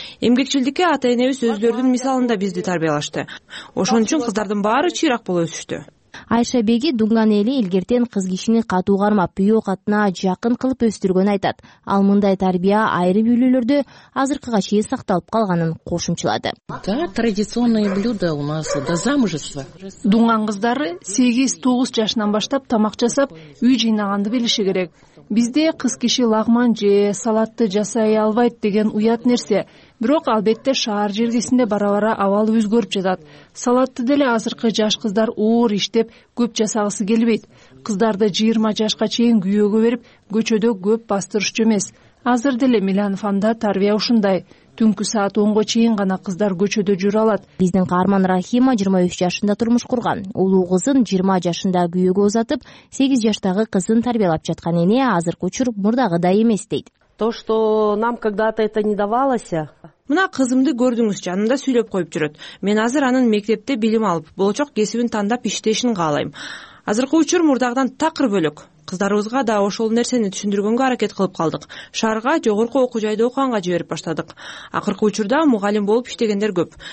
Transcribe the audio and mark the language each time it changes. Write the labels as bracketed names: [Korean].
[Kyrgyz] Эмгекчилдикке ата энебиз өздөрдүн мисалында бизди тарбиялашты. Ошон үчүн кыздардын баары чыйрак болуп өсүштү. Айша беги Дунган эли илгертен кыз кишини катуу кармап, күйөө катына жакын кылып өстүргөн айтат. Ал мындай тарбия айрым үйлөлөрдө азыркыга чейин сакталып калганын кошумчалады. [Russian] Да, традиционное блюдо у нас до замужества. [Kyrgyz] Дунган кыздары 8-9 жашынан баштап тамак жасап, үй жыйнаганды билиши керек. Бизде кыз киши лагман же салатты жасай албайт деген уят нерсе. Бирок албетте шаар жергесинде бара-бара абал өзгөрүп жатат. Салатты деле азыркы жаш кыздар оор иштеп көп жасагысы келбейт. Кыздарды 20 жашка чейин күйөөгө берип, көчөдө көп бастырышчу эмес. Азыр деле Милянфанда тарбия ушундай. Түнкү саат 10:00 чейин гана кыздар көчөдө жүрө алат. Биздин каарман Рахима 23 жашында турмуш курган. Улуу кызын 20 жашында күйөөгө узатып, 8 жаштагы кызын тарбиялап жаткан эне азыркы учур мурдагыдай эмес дейт. [Russian] То, что нам когда-то это не давалось. [Kyrgyz] Мына кызымды көрдүңүз, жанында сүйлөп коюп жүрөт. Мен азыр анын мектепте билим алып, болочок кесибин тандап иштешин каалайм. Азыркы учур мурдагыдан такыр бөлөк. Кыздарыбызга да ошол нерсени түшүндүргөнгө аракет кылып калдык. Шаарга жогорку окуу жайды окуганга жиберип баштадык. Акыркы учурда мугалим болуп иштегендер көп.